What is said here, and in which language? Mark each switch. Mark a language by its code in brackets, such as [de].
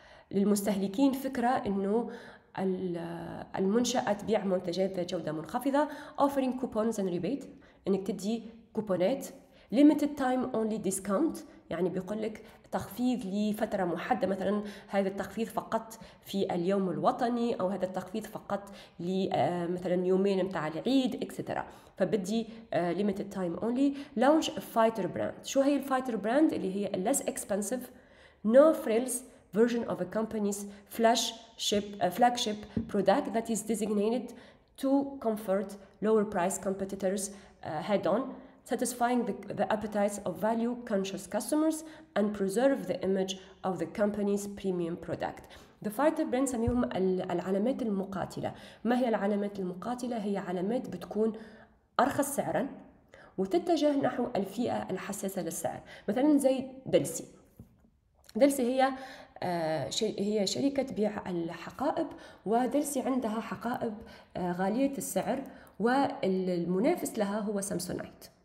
[ar] للمستهلكين فكرة إنه المنشأة تبيع منتجات ذات جودة منخفضة، [en] offering coupons and rebate، [ar] إنك تدي كوبونات، [en] limited time only discount، [ar] يعني بيقول لك تخفيض لفترة محددة، مثلا هذا التخفيض فقط في اليوم الوطني، أو هذا التخفيض فقط لمثلا يومين متاع العيد etc. فبدي [en] limited time only. launch a fighter brand. [ar] شو هي الفايتر براند؟ اللي هي [en] less expensive no frills version of a company's flagship product that is designated to comfort lower price competitors head on, satisfying the appetites of value conscious customers and preserve the image of the company's premium product. The fighter brand [ar] سميهم العلامات المقاتلة. ما هي العلامات المقاتلة؟ هي علامات بتكون أرخص سعرا وتتجه نحو الفئة الحساسة للسعر، مثلا زي دلسي. دلسي هي شركة بيع الحقائب، ودلسي عندها حقائب غالية السعر، والمنافس لها هو سامسونايت.